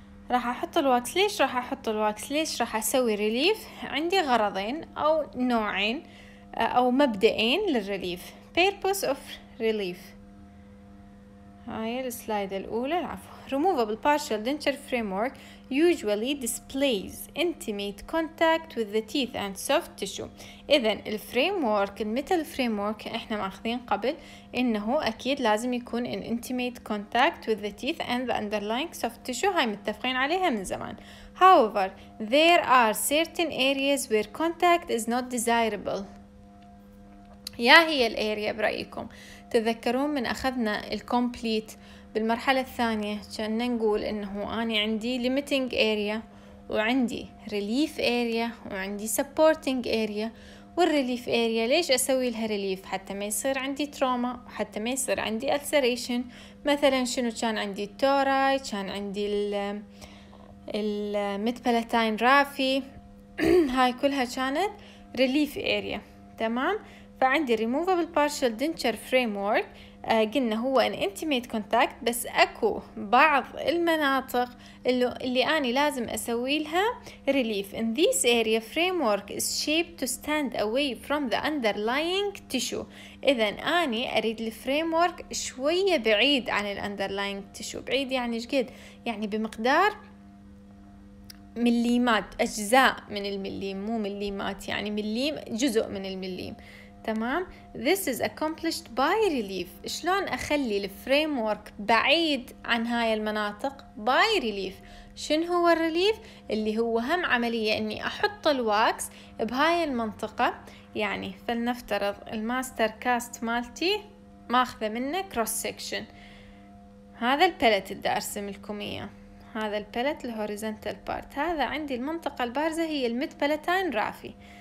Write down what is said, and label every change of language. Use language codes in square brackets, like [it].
[ar] راح احط الواكس ليش؟ راح احط الواكس ليش؟ راح اسوي ريليف. عندي غرضين او نوعين او مبدئين للريليف. [en] purpose of relief، [ar] هاي السلايد الاولى، العفو. [en] removable partial denture framework usually displays intimate contact with the teeth and soft tissue. [ar] اذا الفريمورك المتل فريمورك احنا ماخذين قبل انه اكيد لازم يكون [en] in intimate contact with the teeth and the underlying soft tissue، [ar] هاي متفقين عليها من زمان. [en] however there are certain areas where contact is not desirable. [ar] يا هي الاريا برايكم، تذكرون من اخذنا الكومبليت بالمرحله الثانيه كنا نقول انه انا عندي ليميتنج اريا وعندي ريليف اريا وعندي سبورتنج اريا، والريليف اريا ليش اسوي لها ريليف؟ حتى ما يصير عندي تروما، وحتى ما يصير عندي السريشن. مثلا شنو كان عندي؟ التوراي، كان عندي الميدبلاتاين رافي، هاي كلها كانت ريليف اريا. تمام، فعندي [en] removable partial denture framework [ar] قلنا هو [en] an intimate contact، [ar] بس اكو بعض المناطق اللي انا لازم اسوي لها relief. [en] in this area framework is shaped to stand away from the underlying tissue. [ar] اذا انا اريد الفريمورك شوية بعيد عن ال underlying tissue. بعيد يعني شقد؟ يعني بمقدار مليمات، اجزاء من المليم، مو مليمات يعني مليم، جزء من المليم. [en] تمام، this is accomplished by relief. [ar] شلون اخلي الفريمورك بعيد عن هاي المناطق؟ [en] by relief. [ar] شن هو الريليف؟ اللي هو هم عملية اني احط الواكس بهاي المنطقة. يعني فلنفترض الماستر كاست مالتي ماخذة منه cross section، هذا البلت اللي ارسم لكم اياه، هذا البلت الهوريزنتال بارت، هذا عندي المنطقة البارزة هي الميد بلتاين رافي.